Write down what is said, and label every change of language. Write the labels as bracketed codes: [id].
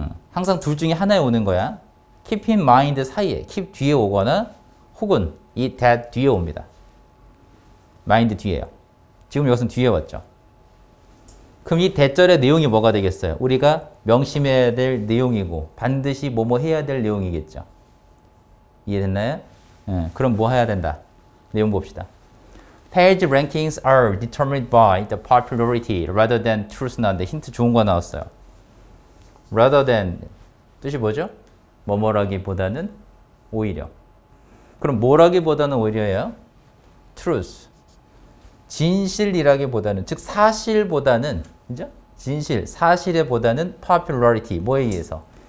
[ko] 항상 둘 중에 하나에 오는 거야. [en] Keep in mind [ko] 사이에 keep 뒤에 오거나 혹은 이 that 뒤에 옵니다. mind 뒤에요. 지금 이것은 뒤에 왔죠. 그럼 이 대절의 내용이 뭐가 되겠어요? 우리가 명심해야 될 내용이고 반드시 뭐뭐 해야 될 내용이겠죠. 이해됐나요? 그럼 뭐 해야 된다? 내용 봅시다. [en] Page rankings are determined by the popularity rather than truth [ko] 나왔는데 힌트 좋은 거 나왔어요. rather than 뜻이 뭐죠? 뭐뭐라기보다는 오히려. 그럼 뭐라기보다는 오히려예요? [en] truth. [ko] 진실이라기보다는, 즉 사실보다는, 그죠? 진실, 사실에보다는 popularity, 뭐에 의해서?